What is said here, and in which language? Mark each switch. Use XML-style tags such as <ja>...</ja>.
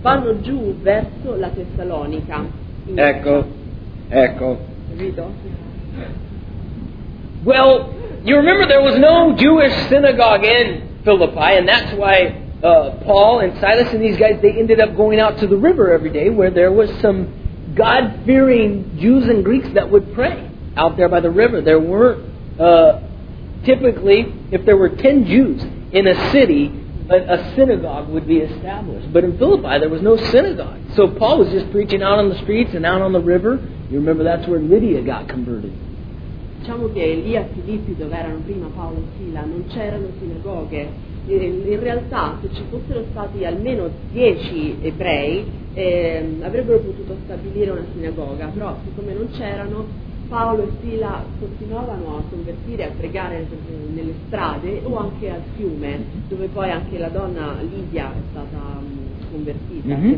<it>Vanno giù verso la Tessalonica. Ecco. Capito?</it> <en>Well, you remember there was no Jewish synagogue in Philippi, and that's why Paul and Silas and these guys, they ended up going out to the river every day where there was some God-fearing Jews and Greeks that would pray out there by the river. There were typically, if there were 10 Jews in a city, a synagogue would be established. But in Philippi, there was no synagogue. So Paul was just preaching out on the streets and out on the river. You remember that's where Lydia got converted.</en> <it>Diciamo che lì a Filippi, dove erano prima Paolo e Sila, non c'erano sinagoghe. In realtà, se ci fossero stati almeno 10 ebrei, avrebbero potuto stabilire una sinagoga, però siccome non c'erano, Paolo e Sila continuavano a convertire, a pregare nelle strade o anche al fiume, dove poi anche la donna Lidia è stata convertita.</it>